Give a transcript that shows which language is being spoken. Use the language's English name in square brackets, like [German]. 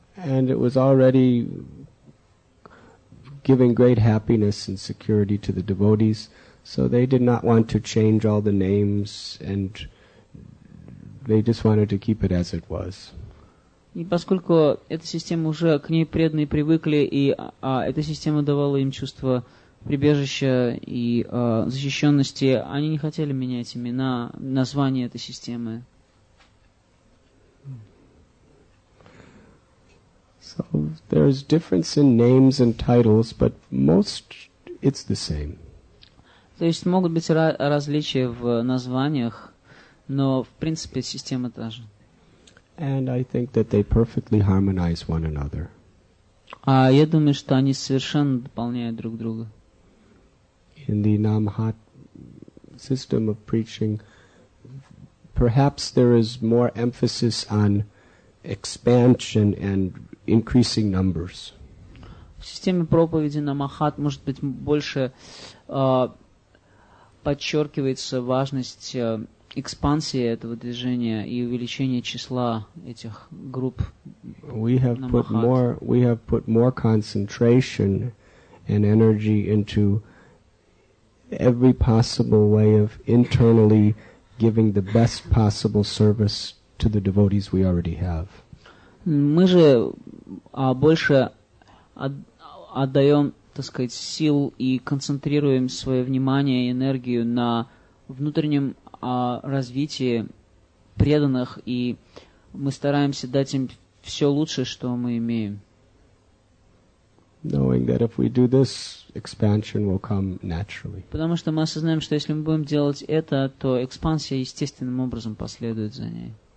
[English] And it was already giving great happiness and security to the devotees, so they did not want to change all the names, and they just wanted to keep it as it was. [Russian] И поскольку эта система уже к ней преданные привыкли, и эта система давала им чувство прибежища и защищенности, они не хотели менять имена, название этой системы. [English] So there's difference in names and titles, but most it's the same. [Russian] То есть могут быть различия в названиях, но в принципе система та же. [English] And I think that they perfectly harmonize one another. [Russian] А я думаю, что они совершенно дополняют друг друга. [English] In the Namahat system of preaching, perhaps there is more emphasis on expansion and increasing numbers. [Russian] В системе проповеди на Махат, может быть, больше подчеркивается важность экспансии этого движения и увеличения числа этих групп. [English] We have put more concentration and energy into every possible way of internally giving the best possible service to the devotees we already have. [Russian] Мы же больше отдаем, так сказать, сил и концентрируем свое внимание и энергию на внутреннем развитии преданных, и мы стараемся дать им все лучшее, что мы имеем. [English] Knowing that if we do this, expansion will come naturally. [Russian] Потому что мы осознаем, что если мы будем делать это, то экспансия естественным образом последует за ней.